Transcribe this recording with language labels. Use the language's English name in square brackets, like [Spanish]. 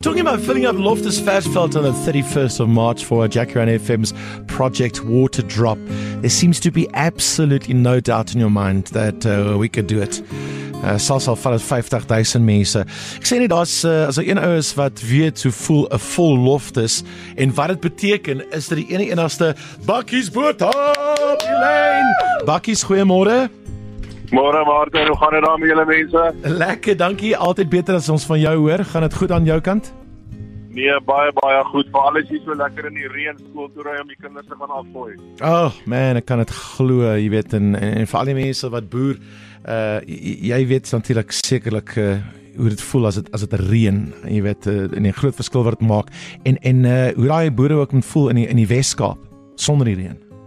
[English] Talking about filling up Loftus Versfeld on the 31st of March for Jacaranda FM's Project Water Drop, there seems to be absolutely no doubt in your mind that we could do it. [Afrikaans] Sal vat 50,000 mense. Ek sê net as daar een ou is wat weet hoe voel 'n vol Loftus en wat dit beteken, is dit die enigste Bakkies boot op die lyn. Bakkies, goeiemôre. Môre Maarten, hoe gaan dit daar met julle mense? Lekker, dankie. Altyd beter as ons van jou hoor. Gaan dit goed aan jou kant? Nee, baie goed. Vir alles hier so lekker in die reën skool toe ry om die kinders te gaan afgooi. Oh man, ek kan dit glo, jy weet, en vir al die mense wat boer, jy weet natuurlik sekerlik hoe dit voel as dit reën, jy weet, en die groot verskil wat dit maak en hoe daai boere ook moet voel in die Wes-Kaap sonder die reën.